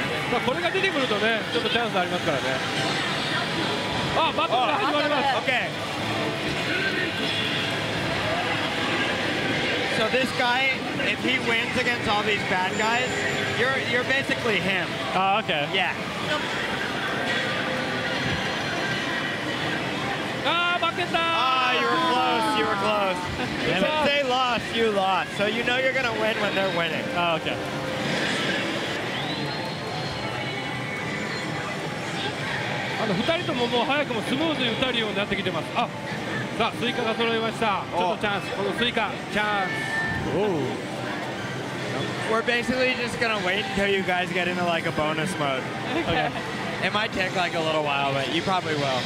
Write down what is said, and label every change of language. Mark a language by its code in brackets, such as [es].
[ja] さあ、これが出てくるとね、ちょっとチャンスありますからね。あ、バトルが始まります。 [en] Okay. So this guy, if he wins against all these bad guys, you're basically him. Ah, okay. Yeah. Ah, you were close. Damn it. They lost, you lost. So you know you're going to win when they're winning. Oh, okay. [ja] あの、2人とももう早くもスムーズに打たれるようになってきてます。あ、さあ、スイカが揃いました。ちょっとチャンス。このスイカ、チャンス。 [en] We're basically just going to wait until you guys get into like a bonus mode. Okay. It might take like a little while, but you probably will.